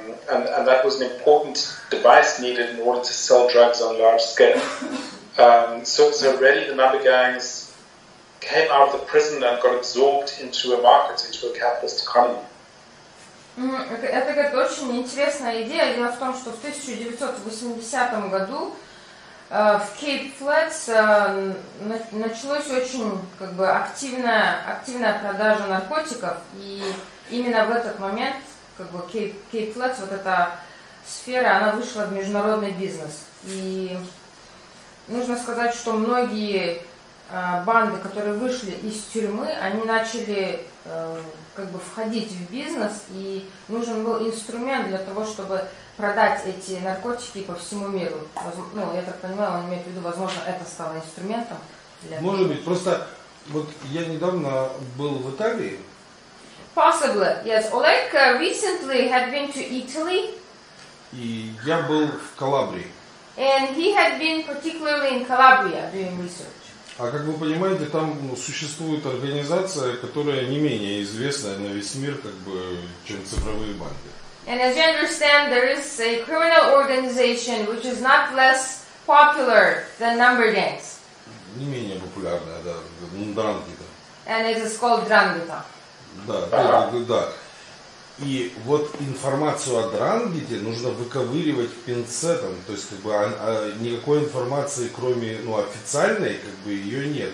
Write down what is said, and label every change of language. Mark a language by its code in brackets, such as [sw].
[en] And that was an important device needed in order to sell drugs on a large scale. So really the number gangs came out of the prison and got absorbed into a market, into a capitalist economy. [ru] Это какая-то очень интересная идея. Дело в том, что в 1980 году в Cape Flats началось очень как бы активная продажа наркотиков, и именно в этот момент как бы Cape Flats, вот эта сфера, она вышла в международный бизнес. И нужно сказать, что многие банды, которые вышли из тюрьмы, они начали как бы входить в бизнес, и нужен был инструмент для того, чтобы продать эти наркотики по всему миру. Ну, я так понимаю, он имеет в виду, возможно, это стало инструментом для... Может быть, просто вот я недавно был в Италии. [en] Possibly, yes. Oleg recently had been to Italy. [ru] И я был в Калабрии. [en] And he had been particularly in Calabria doing research. [ru] А как вы понимаете, там, ну, существует организация, которая не менее известная на весь мир, как бы, чем цифровые банки. [en] And as you understand, there is a criminal organization which is not less popular than number gangs. [ru] Не менее популярная, да, ндрангета. [en] And it is called ндрангета. [ru] Да, да. И вот информацию о ндрангете нужно выковыривать пинцетом, то есть как бы никакой информации, кроме, ну, официальной, как бы ее нет.